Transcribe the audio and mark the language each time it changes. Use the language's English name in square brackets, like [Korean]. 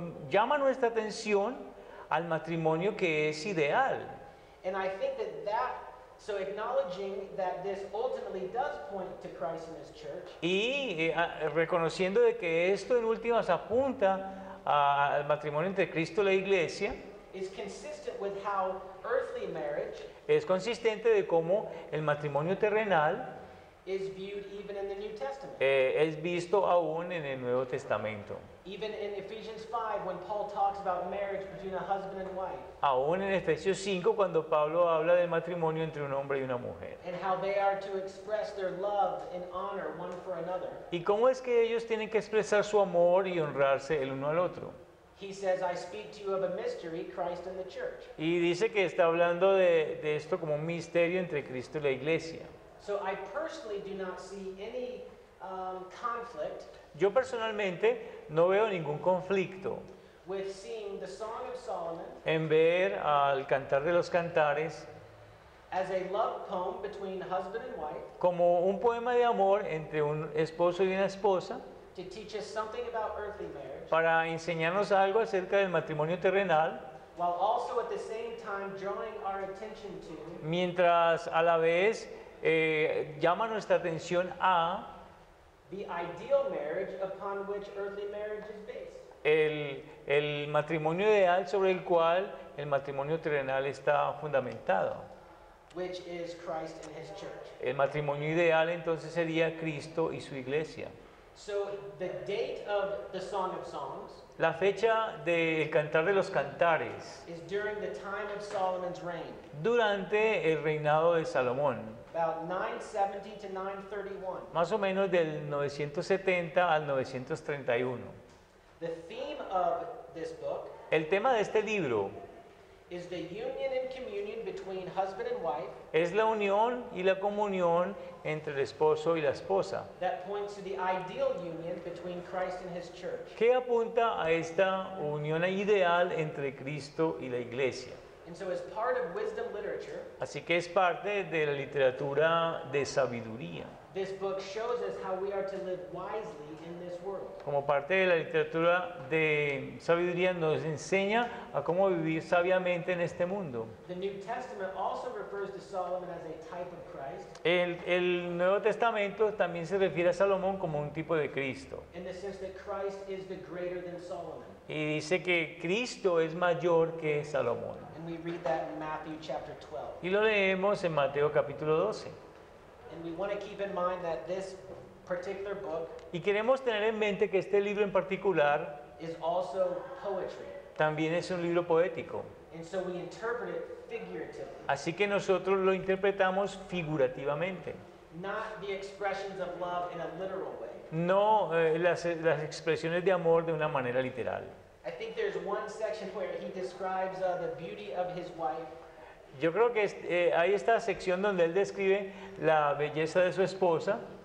[Spanish] Llama nuestra atención al matrimonio que es ideal. [English] And I think that that So acknowledging that this ultimately does point to Christ and his church. [Spanish] Y reconociendo de que esto en últimas apunta al matrimonio entre Cristo y la iglesia. [English] Is consistent with how earthly marriage. [Spanish] Es consistente de cómo el matrimonio terrenal [English] is viewed even in the New Testament. [Spanish] Es visto aún en el Nuevo Testamento. [English] Even in Ephesians 5, when Paul talks about marriage between a husband and wife. [Spanish] Aún en Efesios 5, cuando Pablo habla del matrimonio entre un hombre y una mujer. [English] And how they are to express their love and honor one for another. [Spanish] Y cómo es que ellos tienen que expresar su amor y honrarse el uno al otro. [English] He says, I speak to you of a mystery, Christ and the church. [Spanish] Y dice que está hablando de esto como un misterio entre Cristo y la iglesia. [English] So I personally do not see any conflict. [Spanish] Yo personalmente no veo ningún conflicto. [English] With seeing the Song of Solomon. [Spanish] En ver al Cantar de los Cantares. [English] As a love poem between husband and wife. [Spanish] Como un poema de amor entre un esposo y una esposa. [English] To teach us something about earthly marriage. [Spanish] Para enseñarnos algo acerca del matrimonio terrenal. [English] While also at the same time drawing our attention to. [Spanish] Mientras a la vez llama nuestra atención a [English] the ideal marriage upon which earthly marriage is based. [Spanish] El matrimonio ideal sobre el cual el matrimonio terrenal está fundamentado. [English] Which is Christ and his church. [Spanish] El matrimonio ideal entonces sería Cristo y su iglesia. [English] So the date of the Song of Songs. [Spanish] La fecha del Cantar de los Cantares. [English] Is during the time of Solomon's reign. [Spanish] Durante el reinado de Salomón. [English] About 970 to 931. [Spanish] Más o menos del 970 al 931. [English] The theme of this book. [Spanish] El tema de este libro. [English] Is the union and communion between husband and wife. [Spanish] Es la unión y la comunión entre el esposo y la esposa. [English] That points to the ideal union between Christ and his church. [Spanish] Que apunta a esta unión ideal entre Cristo y la iglesia. [English] And so it's part of wisdom literature. [Spanish] Así que es parte de la literatura de sabiduría. [English] This book shows us how we are to live wisely in this world. [Spanish] Como parte de la literatura de sabiduría nos enseña a cómo vivir sabiamente en este mundo. [English] The New Testament also refers to Solomon as a type of Christ. [Spanish] El Nuevo Testamento también se refiere a Salomón como un tipo de Cristo. [English] In the sense that Christ is the greater than Solomon. [Spanish] Y dice que Cristo es mayor que Salomón. [English] And we read that in Matthew chapter 12. [Spanish] Y lo leemos en Mateo capítulo 12. [English] And we want to keep in mind that this particular book. [Spanish] Y queremos tener en mente que este libro en particular [English] is also poetry. [Spanish] También es un libro poético. [English] And so we interpret it figuratively. [Spanish] Así que nosotros lo interpretamos figurativamente. [English] Not the expressions of love in a literal way. [Spanish] No las expresiones de amor de una manera literal. [English] I think there's one section where he describes the beauty of his wife. [Spanish] Yo creo que hay esta sección donde él describe la belleza de su esposa.